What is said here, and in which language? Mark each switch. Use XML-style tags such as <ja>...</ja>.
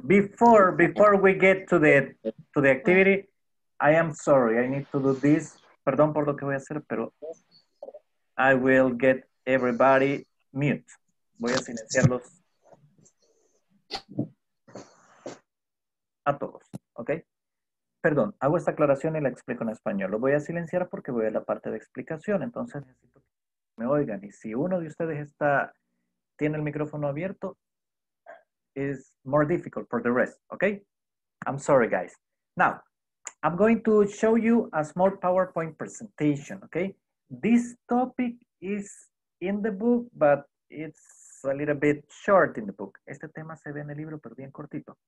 <en>Before we get to the activity, I am sorry. I need to do this.</en> <es>Perdón por lo que voy a hacer, pero</es> <en>I will get everybody mute.</en> <es>Voy a silenciarlos a todos, ¿ok? Perdón, hago esta aclaración y la explico en español. Lo voy a silenciar porque voy a la parte de explicación. Entonces necesito que me oigan. Y si uno de ustedes tiene el micrófono abierto,</es> <en>is more difficult for the rest,</en> <es>¿ok?</es> <en>I'm sorry, guys. Now, I'm going to show you a small PowerPoint presentation, ¿ok? This topic is in the book, but it's a little bit short in the book.</en> <es>Este tema se ve en el libro, pero bien cortito.</es>